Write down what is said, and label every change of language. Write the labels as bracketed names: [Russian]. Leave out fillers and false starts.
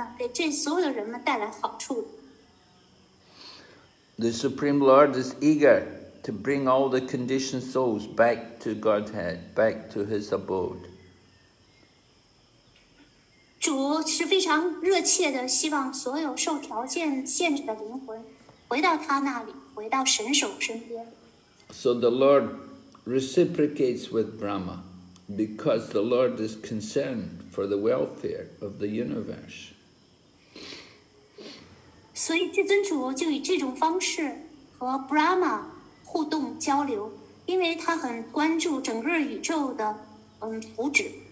[Chinese] 因为献祭可以给所有参加从事跟献祭有关的活动的人们，给这所有人们带来好处。 [English] The Supreme Lord is eager to bring all the conditioned souls back to Godhead, back to His abode. [Chinese] 主是非常热切地希望所有受条件限制的灵魂回到他那里，回到神手身边。 [English] So the Lord reciprocates with Brahma because the Lord is concerned for the welfare of the universe. [Chinese] 所以至尊主就以这种方式和 Brahma 互动交流，因为他很关注整个宇宙的福祉。